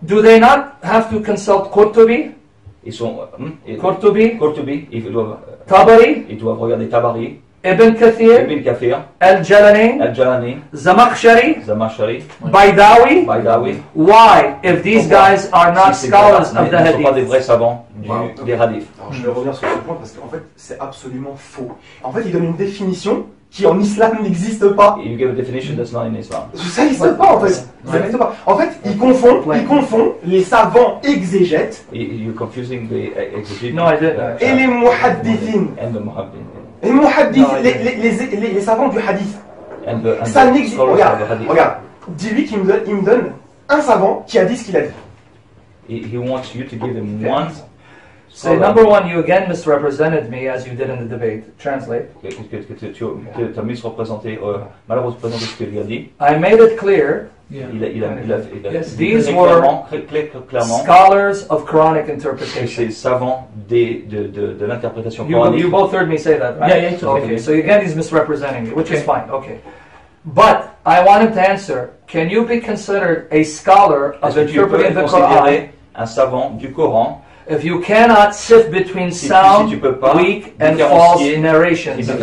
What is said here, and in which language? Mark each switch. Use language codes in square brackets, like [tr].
[en] do they not have to consult Qurtubi? [fr] Ils sont Qurtubi. Tabari. Ils doivent regarder Tabari. Ibn Kathir, Al-Jalani, Zamakhshari, Baydawi. [en] Why? If these guys are not scholars of the hadith. [fr] Ils ne sont pas des vrais savants des hadiths. Je vais revenir sur ce point parce qu'en fait, c'est absolument faux. En fait, ils donnent une définition qui en islam n'existe pas. [en] You give a definition that's not in islam. [fr] Ça n'existe pas en fait. Ça n'existe pas. En fait, ils confondent les savants exégètes. [en] You're confusing the exégètes. No, I didn't. [fr] Et les muhaddithin. [en] And the muhaddithin. [fr] Les muhaddith, les savants du hadith, ça n'existe pas. Regarde, dis-lui qu'il me donne un savant qui a dit ce qu'il a dit. [en] He wants you to give him one. Say number one, you again misrepresented me as you did in the debate. Translate. [fr] Tu as misrepresenté, malheureusement, ce qu'il a dit. [en] I made it clear. Yeah. These were scholars of Quranic interpretation. [fr] Ces savants de l'interprétation coranique. [en] You both heard me say that, right? Yeah. Okay. So again, he's misrepresenting me, which is fine. Okay. But I wanted to answer. Can you be considered a scholar of interpreting the Quran? [fr] Est-ce que tu peux considérer un savant du Coran? [en] If you cannot sift between sound, weak, and false narrations.